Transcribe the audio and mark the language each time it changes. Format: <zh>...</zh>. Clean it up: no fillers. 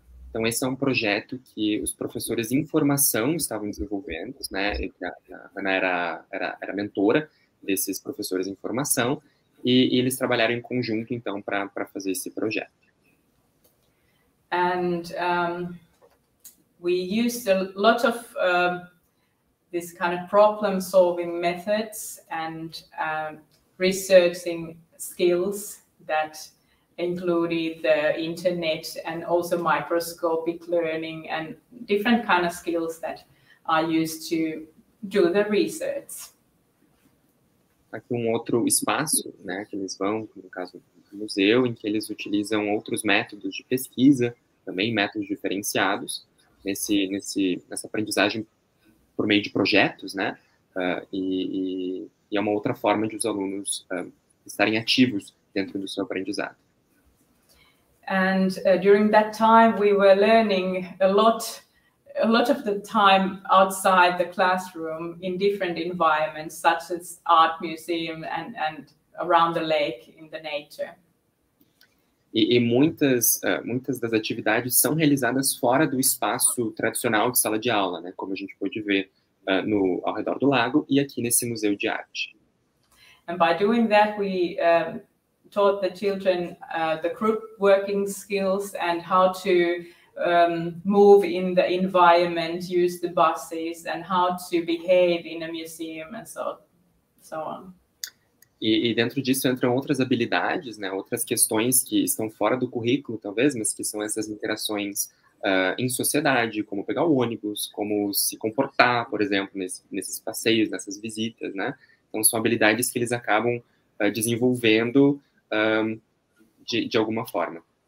<pt>Então esse é um projeto que os professores em formação estavam desenvolvendo, né? Ana era mentora desses professores em formação e eles trabalharam em conjunto então para fazer esse projeto.</pt> <en>And we used a lot of this kind of problem-solving methods and researching skills that included the internet and also microscopic learning and different kind of skills that are used to do the research.</en> <pt>Aqui um outro espaço, né, que eles vão, no caso do museu, em que eles utilizam outros métodos de pesquisa, também métodos diferenciados, nessa aprendizagem por meio de projetos, né, e é uma outra forma de os alunos estarem ativos dentro do seu aprendizado.</pt> <en>And during that time, we were learning a lot of the time outside the classroom in different environments, such as art museum and around the lake in the nature.</en> <pt>E muitas das atividades são realizadas fora do espaço tradicional de sala de aula, né? Como a gente pode ver ao redor do lago e aqui nesse museu de arte.</pt> <en>And by doing that, we taught the children the group working skills and how to move in the environment, use the buses, and how to behave in a museum and so on.</en> <pt>E dentro disso entram outras habilidades, né, outras questões que estão fora do currículo, talvez, mas que são essas interações em sociedade, como pegar o ônibus, como se comportar, por exemplo, nesses passeios, nessas visitas, né? Então, são habilidades que eles acabam desenvolvendo de alguma forma.</pt>